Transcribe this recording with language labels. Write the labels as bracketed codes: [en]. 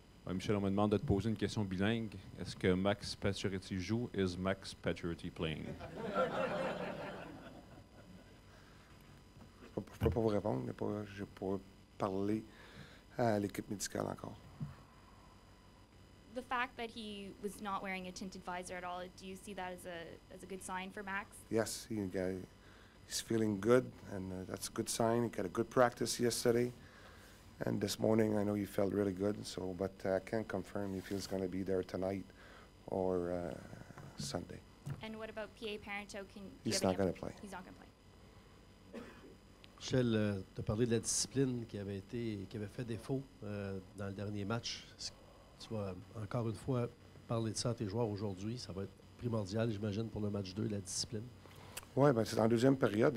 [fr] Michel, on me demande de te poser une question bilingue. Est-ce que Max Pacioretty joue? [en] Is Max Pacioretty playing? [fr] Je ne peux pas vous répondre, mais pas, je pourrais parler à l'équipe médicale encore. [en] The fact that he was not wearing a tinted visor at all, do you see that as a good sign for Max? Yes, he's feeling good, and that's a good sign. He got a good practice yesterday, and this morning I know he felt really good. So, but I can't confirm if he's going to be there tonight or Sunday. And what about P.A. Parenteau? He's not going to play. He's not going to play. [fr] Michel, tu as parlé de la discipline qui avait fait défaut dans le dernier match. Tu vas encore une fois parler de ça à tes joueurs aujourd'hui. Ça va être primordial, j'imagine, pour le match 2, la discipline. Oui, bien, c'est en deuxième période.